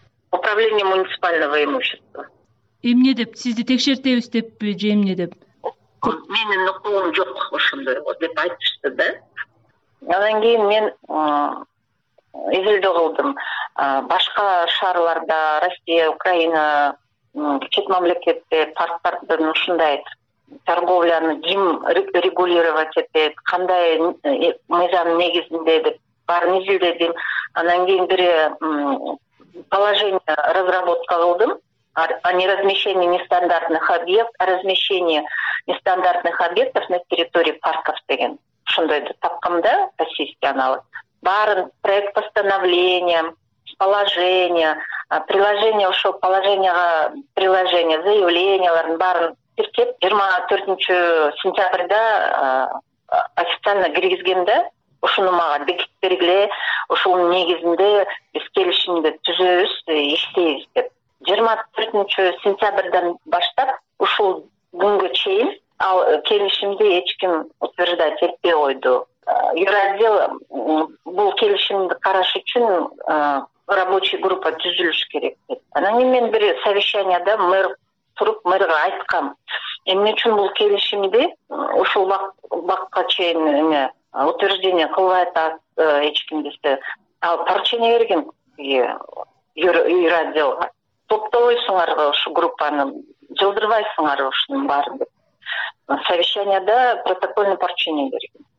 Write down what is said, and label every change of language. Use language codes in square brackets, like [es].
[ru] Управление муниципального имущества. [ky] Эмне деп? Сизди текшертебиз деппи же эмне деп? Менин укугум жок ошондойго деп айтышты да. Анан кийин мен изилдөө кылдым. Башка шаарларда, Россия, Украина, чет мамлекетте парттардын ушундай торговляны ким регулировать этет, кандай мыйзам негизинде деп баарын изилдедим. Анан кийин бир положение разработка кылдым. [ru] О неразмещении нестандартных объектов, на территории парков [ky] деген. Ушундой тапкам да, [ru] российский аналог. [ky] Баарын [ru] проект постановления, положение, приложение [ky] ушул положенияга, приложение заявлениялардын баарын тиркеп 24 сентябрда официально киргизген да. Ушуну мага бекит бергиле, ушунун негизинде биз келишимди түзөбүз, иштейбиз деп. 24 сентябрдан баштап ушул күнгө чейин ал келишимди эч ким утверждать этпей койду. Юрадел бул келишимди караш үчүн [ru] рабочий группа [ky] түзүлүш керек деп. Анан кийин мен бир совещанияда мэр туруп мэрге айткам, эмне үчүн бул келишимди ушул бакка чейин эме утверждение кылбай атат эч ким десе, ал поручение берген юрадела. Топтобойсуңарбы ушул группаны, жылдырбайсыңарбы ушунун баарын деп. Совещанияда [ru] протокольный поручение [ky] берген.